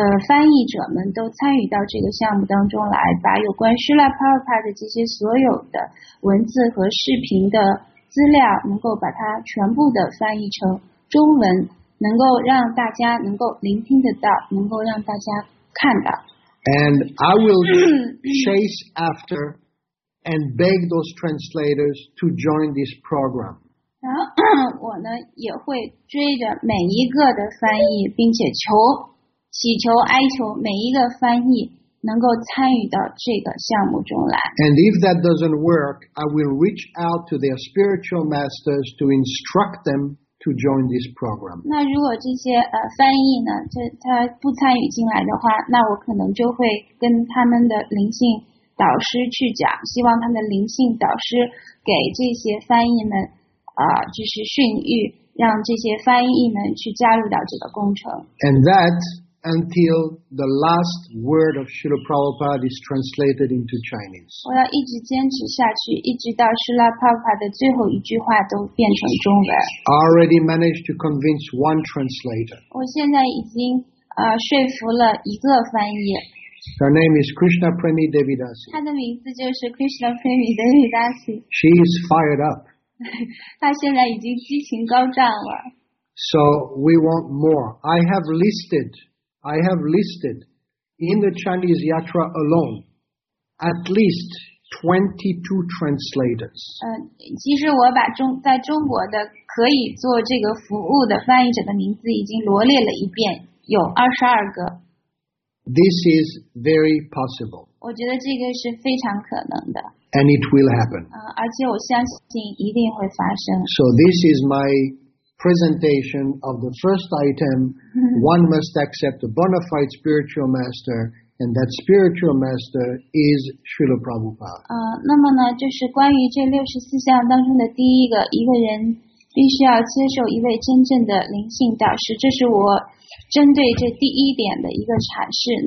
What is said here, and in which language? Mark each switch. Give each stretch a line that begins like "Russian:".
Chinese: 翻译者们都参与到这个项目当中来把有关 Srila Prabhupada 的这些所有的文字和视频的资料能够把它全部的翻译成中文能够让大家能够聆听得到能够让大家看到
English: And I will chase after and beg those translators to join this program.
Chinese: 然后我呢也会追着每一个的翻译并且求祈求哀求每一个翻译能够参与到这个项目中来
English: And if that doesn't work, I will reach out to their spiritual masters to instruct them to join this program.
Chinese: 那如果这些翻译呢就他不参与进来的话那我可能就会跟他们的灵性导师去讲希望他们的灵性导师给这些翻译们就是训谕让这些翻译们去加入到这个工程。
English: And that until the last word of Srila Prabhupada is translated into Chinese.
Chinese: 我要一直坚持下去一直到 Srila Prabhupada 的最后一句话都变成中文。
English: Already managed to convince one translator.
Chinese: 我现在已经说服了一个翻译。
English: Her name is Krishna Premi Devidasi.
Chinese: 她的名字就是 Krishna Premi Devidasi.
English: She is fired up.
Chinese: 她现在已经激情高涨了。
English: So we want more. I have listed in the Chinese Yatra alone at least 22 translators.
Chinese: 其实我把中在中国的可以做这个服务的翻译者的名字已经罗列了一遍，有22个。
English: This is very possible.
Chinese: 我觉得这个是非常可能的。
English: And it will happen.
Chinese: 而且我相信一定会发生。
English: So this is my presentation of the first item, one must accept a bona fide spiritual master, and that spiritual master is Srila Prabhupada.
Chinese: 那么呢，就是关于这六十四项当中的第一个，一个人必须要接受一位真正的灵性导师，这是我针对这第一点的一个阐释。